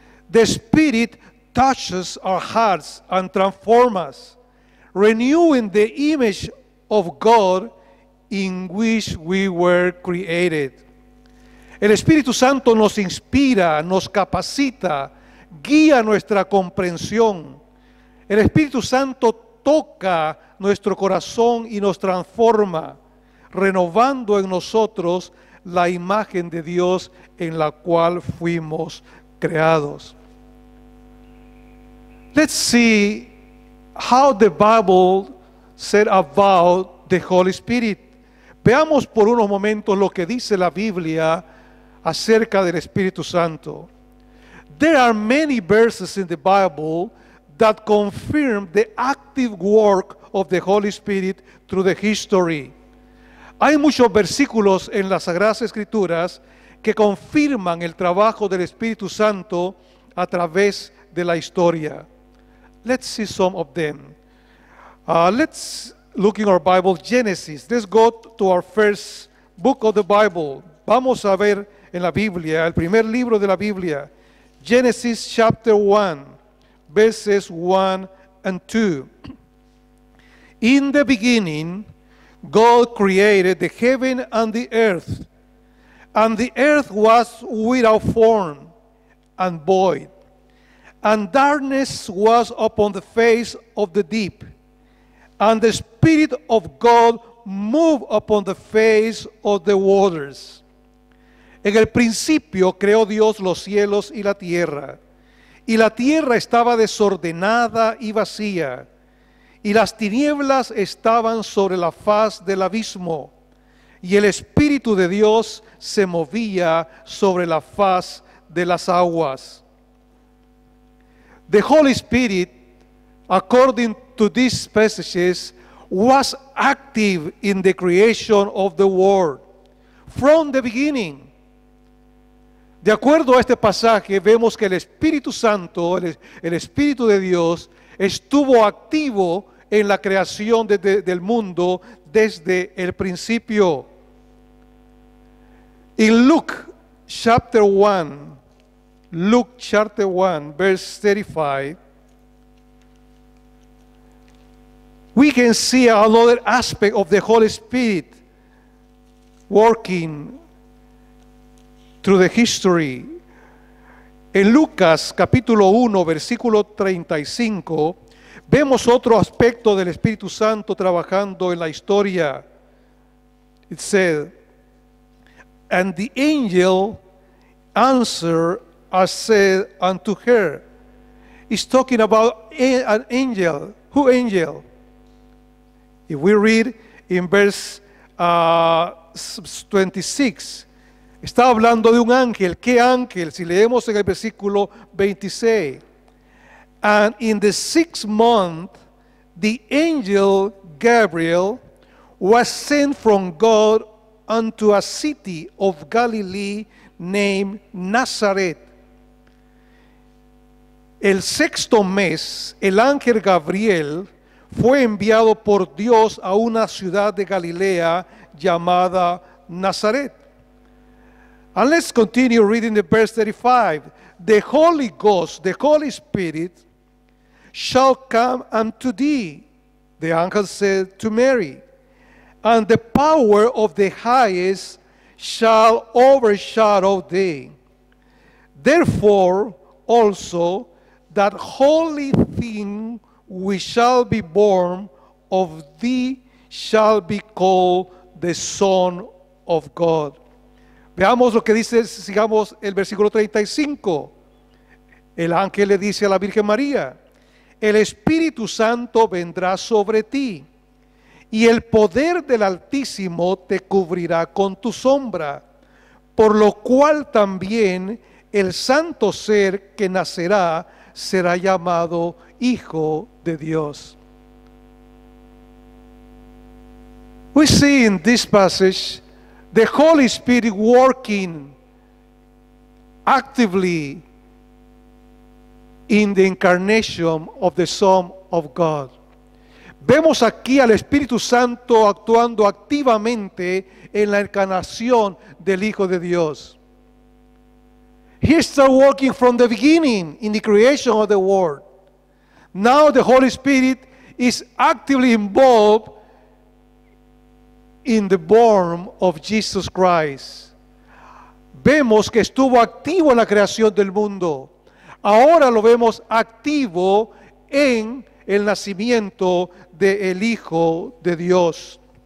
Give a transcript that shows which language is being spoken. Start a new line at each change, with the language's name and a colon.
English: The Spirit touches our hearts and transforms us, renewing the image of God in which we were created.
Spanish: El Espíritu Santo nos inspira, nos capacita, guía nuestra comprensión. El Espíritu Santo toca nuestro corazón y nos transforma, renovando en nosotros la imagen de Dios en la cual fuimos creados.
English: Let's see how the Bible said about the Holy Spirit.
Spanish: Veamos por unos momentos lo que dice la Biblia acerca del Espíritu Santo.
English: There are many verses in the Bible that confirm the active work of the Holy Spirit through the history.
Spanish: Hay muchos versículos en las Sagradas Escrituras que confirman el trabajo del Espíritu Santo a través de la historia.
English: Let's see some of them. Let's look in our Bible, Genesis. Let's go to our first book of the Bible.
Spanish: Vamos a ver en la Biblia, el primer libro de la Biblia, Genesis
English: chapter 1, verses 1 and 2. In the beginning, God created the heaven and the earth, and the earth was without form and void, and darkness was upon the face of the deep, and the Spirit of God moved upon the face of the waters.
Spanish: En el principio creó Dios los cielos y la tierra estaba desordenada y vacía, y las tinieblas estaban sobre la faz del abismo, y el Espíritu de Dios se movía sobre la faz de las aguas.
English: The Holy Spirit, according to these passages, was active in the creation of the world from the beginning.
Spanish: De acuerdo a este pasaje, vemos que el Espíritu Santo, el Espíritu de Dios, estuvo activo en la creación del mundo desde el principio.
English: In Luke chapter 1, verse 35, we can see another aspect of the Holy Spirit working through the history.
Spanish: En Lucas capítulo 1, versículo 35, vemos otro aspecto del Espíritu Santo trabajando en la historia.
English: It said, and the angel answered and said unto her. It's talking about an angel. Who angel? If we read in verse 26,
Spanish: está hablando de un ángel. ¿Qué ángel? Si leemos en el versículo 26.
English: And in the sixth month, the angel Gabriel was sent from God unto a city of Galilee named Nazareth.
Spanish: El sexto mes, el ángel Gabriel fue enviado por Dios a una ciudad de Galilea llamada Nazaret.
English: And let's continue reading the verse 35. The Holy Ghost, the Holy Spirit, shall come unto thee, the angel said to Mary, and the power of the highest shall overshadow thee. Therefore also that holy thing we shall be born of thee shall be called the Son of God.
Spanish: Veamos lo que dice, sigamos el versículo 35. El ángel le dice a la Virgen María: el Espíritu Santo vendrá sobre ti, y el poder del Altísimo te cubrirá con tu sombra, por lo cual también el santo ser que nacerá será llamado Hijo de Dios.
English: We see in this passage the Holy Spirit working actively in the incarnation of the Son of God.
Spanish: Vemos aquí al Espíritu Santo actuando activamente en la encarnación del Hijo de Dios.
English: He started working from the beginning in the creation of the world. Now the Holy Spirit is actively involved in the born of Jesus Christ.
Spanish: Vemos que estuvo activo en la creación del mundo. Ahora lo vemos activo en el nacimiento del Hijo de Dios.